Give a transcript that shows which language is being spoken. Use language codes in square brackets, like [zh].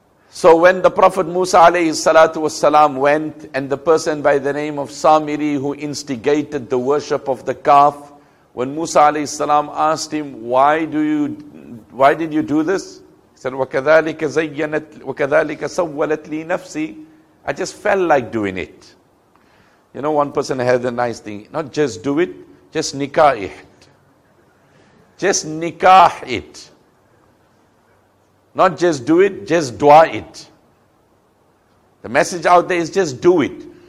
[en] So when the Prophet Musa alayhi salatu wassalam went, and the person by the name of Samiri who instigated the worship of the calf, when Musa alayhi salam asked him, why did you do this? [ar] He said, وَكَذَلِكَ زَيَّنَتْ وَكَذَلِكَ سَوَّلَتْ لِي نَفْسِي. [en] I just felt like doing it. You know, one person has a nice thing. Not just do it, just nikah it. Just nikah it. Not just do it, just dua it. The message out there is just do it.